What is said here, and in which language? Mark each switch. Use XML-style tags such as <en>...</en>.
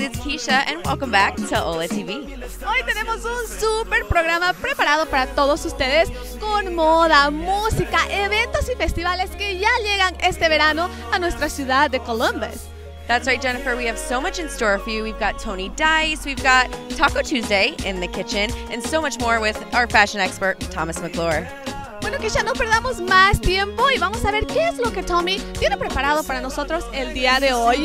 <en>It's Keisha, and welcome back to Hola TV.</en> <es>Hoy tenemos un super programa preparado para todos ustedes con moda, música, eventos y festivales que ya llegan este verano a nuestra ciudad de Columbus.</es> <en>That's right, Jennifer. We have so much in store for you. We've got Tony Dize. We've got Taco Tuesday in the kitchen and so much more with our fashion expert, Thomas McClure.</en> <es>Bueno, que ya no perdamos más tiempo y vamos a ver qué es lo que Tommy tiene preparado para nosotros el día de hoy.</es>